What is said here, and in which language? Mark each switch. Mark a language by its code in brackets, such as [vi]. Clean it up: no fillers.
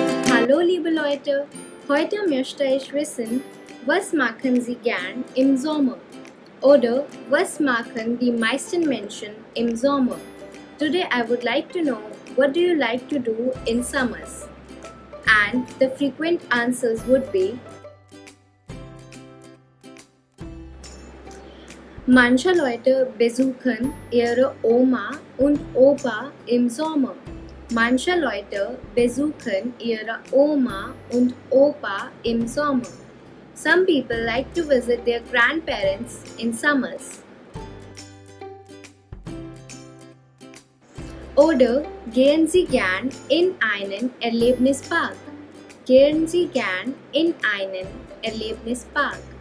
[de] Hallo liebe Leute, heute möchte ich wissen, was machen Sie gern im Sommer? Oder was machen die meisten Menschen im Sommer? [en] Today I would like to know, what do you like to do in summers? [de] And the frequent answers would be, manche Leute besuchen ihre Oma und Opa im Sommer. Manche Leute besuchen ihre Oma und Opa im Sommer. [en] Some people like to visit their grandparents in summers. [de] Oder gehen Sie gern in einen Erlebnispark? Gehen Sie gern in einen Erlebnispark?